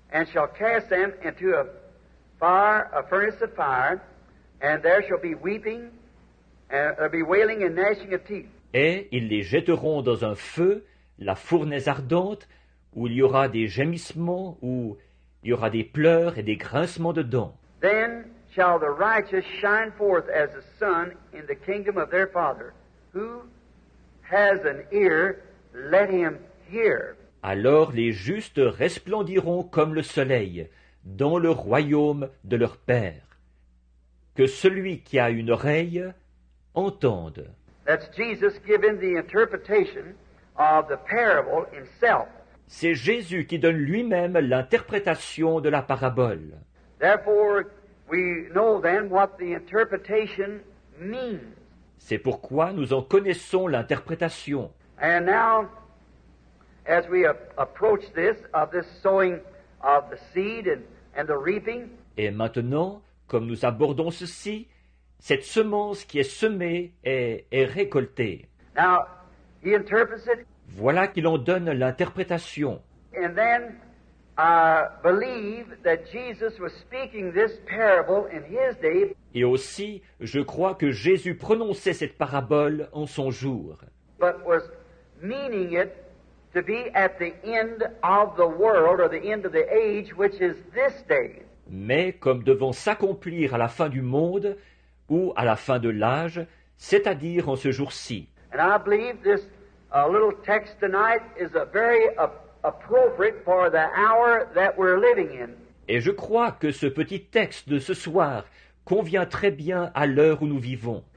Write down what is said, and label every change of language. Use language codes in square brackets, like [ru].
[en] And shall cast them into a fire, a furnace of fire, and there shall be weeping, and there'll be wailing and gnashing of teeth. [fr] Et ils les jetteront dans un feu, la fournaise ardente, où il y aura des gémissements, où il y aura des pleurs et des grincements de dents. [en] Then shall the righteous shine forth as the sun in the kingdom of their Father. Who has an ear, let him hear. [fr] Alors les justes resplendiront comme le soleil dans le royaume de leur Père. Que celui qui a une oreille entende. [en] That's Jesus giving the interpretation of the parable himself. [fr] C'est Jésus qui donne lui-même l'interprétation de la parabole. [en] Therefore, we know then what the interpretation means. [fr] C'est pourquoi nous en connaissons l'interprétation. [en] And now, as we approach this, of this sowing of the seed and the reaping. [fr] Et maintenant, comme nous abordons ceci, cette semence qui est semée est récoltée. [en] Now, he interprets it. [fr] Voilà qu'il en donne l'interprétation. [en] And then, I believe that Jesus was speaking this parable in his day. [fr] Et aussi, je crois que Jésus prononçait cette parabole en son jour. [en] But was meaning it to be at the end of the world or the end of the age, which is this day. [fr] Mais comme devant s'accomplir à la fin du monde ou à la fin de l'âge, c'est-à-dire en ce jour-ci. [en] And I believe this a little text tonight is a very appropriate for the hour that we're living in. [fr] Et je crois que ce petit texte de ce soir convient très bien à l'heure où nous vivons.